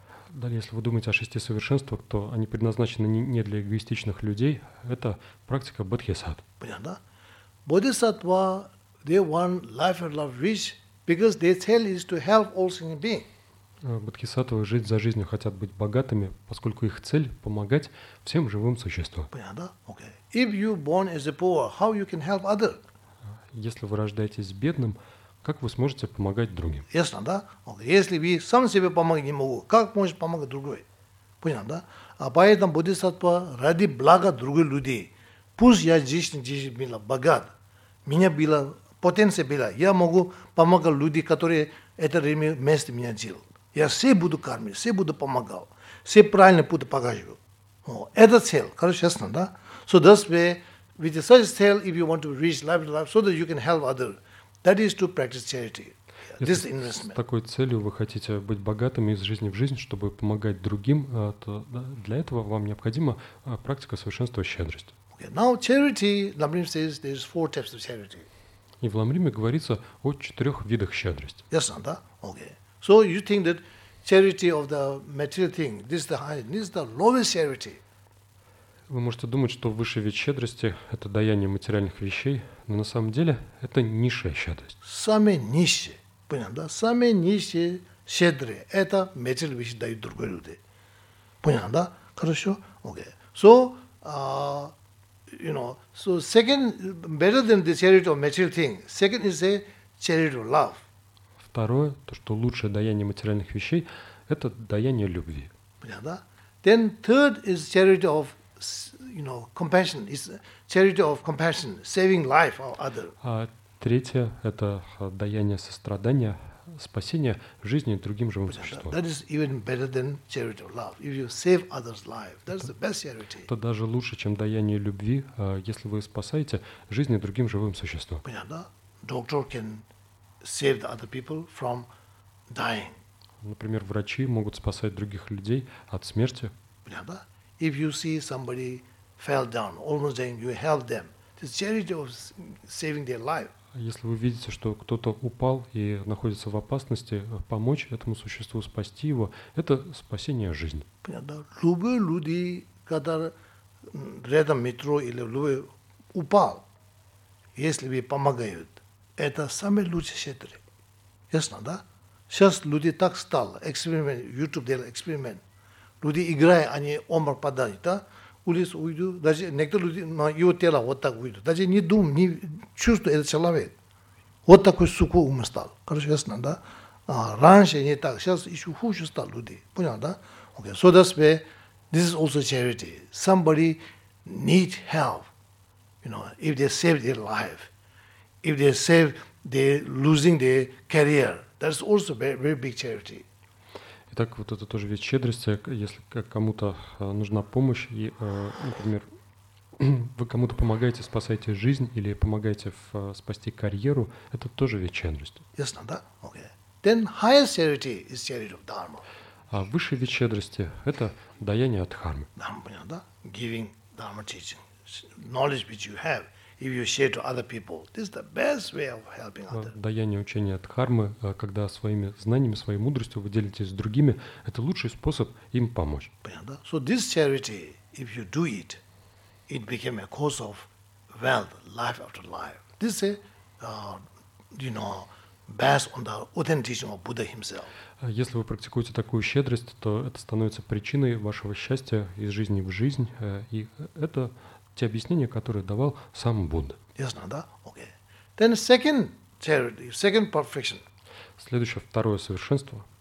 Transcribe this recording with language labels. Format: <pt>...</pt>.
<ru>Далее, если вы думаете о шести совершенствах, то они предназначены не для эгоистичных людей. Это практика бодхисаттв. Понятно, да?</ru> <en>Бодхисаттва, they want life and love rich, because their cell is to help all single beings.</en> <ru>Бодхисаттвы жить за жизнью хотят быть богатыми, поскольку их цель – помогать всем живым существам. Понятно, да?</ru> <en>Okay. If you born as a poor, how you can help other?</en> <ru>Если вы рождаетесь бедным, как вы сможете помогать другим? Ясно, да? Если вы сам себе помогать не могу, как можете помогать другой? Понятно, да? А поэтому бодхисаттва ради блага других людей. Пусть я здесь была богат, меня была потенция была, я могу помогать людям, которые это время вместе меня делали. Я все буду кормить, все буду помогал, все правильный путь покажу. Это цель, короче, ясно, да?</ru> <en>So that's where, with such цель, if you want to reach life, so that you can help others, that is to practice charity. This investment.</en> <ru>С такой целью вы хотите быть богатыми из жизни в жизнь, чтобы помогать другим, то для этого вам необходима практика совершенства щедрости.</ru> <en>Okay. Now charity, Lamrim says there is four types of charity.</en> <ru>И в Ламриме говорится о четырех видах щедрости.</ru> <en>Yes,</en> <ru>да?</ru> <en>Okay. So you think that charity of the material thing, this is the highest, this is the lowest charity.</en> <ru>Вы можете думать, что высший вид щедрости – это даяние материальных вещей, но на самом деле это низшая щедрость. Самые нищие, понятно, да? Самые нищие, щедрые – это материальные вещи дают другим людям. Понятно, да? Хорошо?</ru> <en>Okay. So, you know, so second, better than the charity of material thing, second is a charity of love.</en> <ru>Второе, то, что лучшее даяние материальных вещей – это даяние любви. Понятно, да?</ru> <en>Then third is charity of compassion, is charity of compassion, saving life of other.</en> <ru>А третье – это даяние сострадания, спасение жизни другим живым существам.</ru> <en>That is even better than charity of love. If you save others' life, that's the best charity.</en> <ru>Это даже лучше, чем даяние любви, если вы спасаете жизни другим живым существам. Понятно, да?</ru> <en>Doctor can save the other people from dying.</en> <ru>Например, врачи могут спасать других людей от смерти. Понятно, да?</ru> <en>If you see somebody fell down, almost dying, you help them. It's charity of saving their life.</en> <ru>Если вы видите, что кто-то упал и находится в опасности, помочь этому существу спасти его – это спасение жизни. Понятно. Любые люди, когда рядом метро или любой упал, если вы помогают, это самые лучшие щедрые. Ясно, да? Сейчас люди так стало. Эксперимент, YouTube делал эксперимент. Люди играют, они омар падают, да? Улицу уйдут, даже некоторые люди на его тело вот так уйдут. Даже не дум, не чувствуют этот человек. Вот такой сухой ум стал. Короче, ясно, да? А раньше не так, сейчас еще хуже стал люди. Понял, да?</ru> <en>Okay, so that's why this is also charity. Somebody need help, you know, if they save their life, if they save their losing their career, that's also very, very big charity.</en> <ru>Итак, вот это тоже вид щедрости, если кому-то нужна помощь, и, например, вы кому-то помогаете, спасаете жизнь или помогаете спасти карьеру, это тоже вид щедрости. Ясно, да?</ru> <en>Okay. Then higher charity is charity of dharma.</en> <ru>А высший вид щедрости – это даяние от дхармы. Дхарма, понятно, да?</ru> <en>Giving dharma teaching. Knowledge which you have, if you share to other people, this is the best way of helping others.</en> <ru>Даяние учения от дхармы, когда своими знаниями, своей мудростью вы делитесь с другими, это лучший способ им помочь. Понятно, да?</ru> <en>So this charity, if you do it, it became a cause of wealth, life after life. This is, you know, based on the authentic teaching of Buddha himself.</en> <ru>Если вы практикуете такую щедрость, то это становится причиной вашего счастья из жизни в жизнь, и это те объяснения, которые давал сам Будда. Ясно, да?</ru> <en>Okay. Then second charity, second perfection.</en> <ru>Следующее, второе совершенство.</ru>